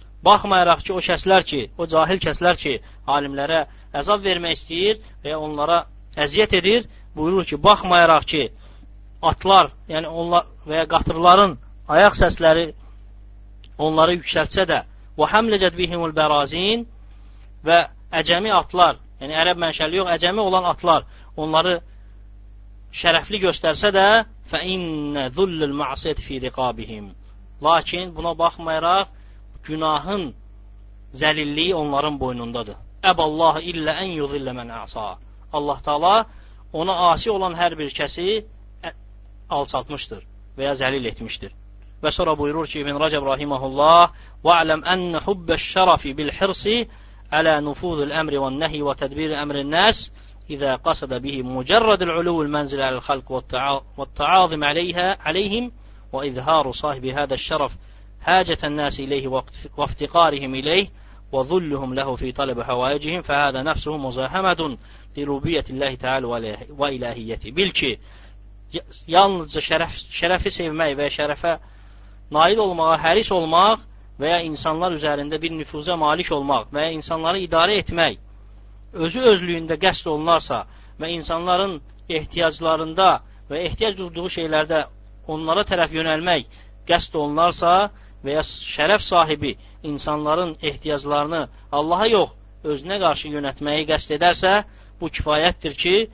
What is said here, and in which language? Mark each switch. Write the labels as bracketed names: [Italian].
[Azerbaijani] Baxmayaraq ki, o kəslər ki, o cahil kəslər ki, alimlərə əzab vermək istəyir və onlara əziyyət edir, buyurur ki, baxmayaraq ki, atlar, yəni onlar və ya qatırların ayaq səsləri onları yüksəltsə də, və həmləcət bihimul bərazin və əcəmi atlar, yəni ərəb mənşəli yox, əcəmi olan atlar onları şərəfli göstərsə də, [Arabic] fə innə zullül məsiyyət fi riqabihim. [Azerbaijani] Lakin buna baxmayaraq, günahın zəlilliyi onların boynundadır. [Arabic] Əballah illə ən yudillə mən əsa. [Azerbaijani] Allah Taala ona asi olan hər bir kəsi alçaltmışdır və ya zəlil etmişdir. Və sonra buyurur ki, [Arabic] İbn Rəcəb rahiməhullah, وَعْلَمْ أَنَّ حُبَّ الشَّرَفِ بِالْحِرْسِ عَلَى نُفُوذُ الْأَمْرِ وَالنَّهِي وَتَدْبِيرِ أَمْرِ النَّاسِ إِذَا قَصَدَ بِهِ مُجَرَّدُ الْعُلُوُ الْمَنْزِلِ عَلَى الْخَلْقِ وَالتَّعَاظِمْ عَلَيْهِمْ وَإِذْهَارُ صَاحِبِ هَذَا الشَّرَفِ هَاجَةَ النَّاسِ إِلَيْهِ وَافْتِقَارِهِمْ إِلَيْهِ وَظُلُّهُمْ لَهُ فِي طَلَبِ حَوَائِجِهِمْ فَهَذَا نَفْسُهُ مُزَاحَمَةٌ لِرُبِيَّةِ اللَّهِ تَعَالَى وَإِلَهِيَّتِهِ. [Azerbaijani] بِلْكِ yalnızca şərəfi sevmək və şərəfə nail olmağa həris olmaq və ya insanlar üzərində bir nüfuza malik olmaq və ya insanları idarə etmək özü özlüyündə qəsd olunarsa və insanların ehtiyaclarında və ehtiyac duyduğu şeylərdə onlara tərəf yönəlmək qəsd olunarsa və ya şərəf sahibi insanların ehtiyaclarını Allaha yox, özünə qarşı yönətməyi qəsd edərsə, bu kifayətdir ki,